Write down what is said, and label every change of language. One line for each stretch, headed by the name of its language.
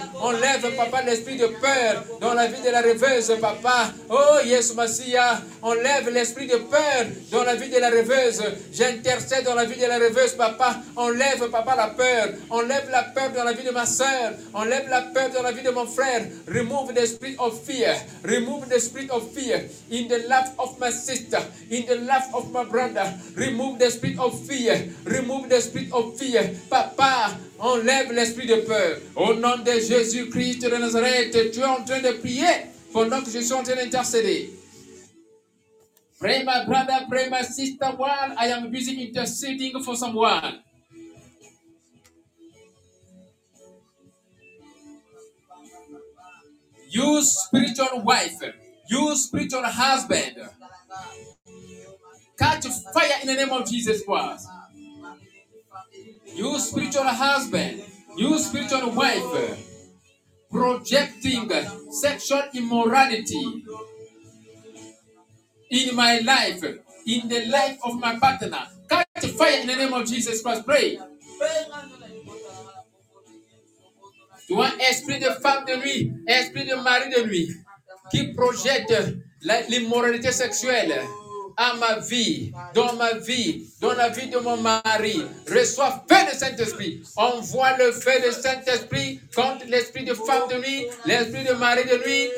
French: Enlève papa l'esprit de peur dans la vie de la rêveuse, papa. Oh Yesu Masia, enlève l'esprit de peur dans la vie de la rêveuse. J'intercède dans la vie de la rêveuse, papa. Enlève papa la peur, enlève la peur dans la vie de ma soeur, enlève la peur dans la vie de mon frère.
English: Remove the spirit of fear, remove the spirit of fear in the life of my sister, in the life of my brother. Remove the spirit of fear, remove the spirit of fear, papa.
French: Enlève l'esprit de peur au nom de Jésus Christ de Nazareth. Tu es en train de prier pendant que je suis en train d'intercéder.
English: Pray my brother, pray my sister while I am busy interceding for someone. You spiritual wife, you spiritual husband, catch fire in the name of Jesus Christ. You spiritual husband, you spiritual wife, projecting sexual immorality in my life, in the life of my partner, catch fire in the name of Jesus Christ. Pray.
French: Tu as esprit de femme de lui, esprit de mari de lui, qui projette l'immoralité sexuelle à ma vie, dans ma vie, dans la vie de mon mari. Reçois feu de Saint-Esprit. Envoie le feu de Saint-Esprit contre l'esprit de femme de lui, l'esprit de mari de lui.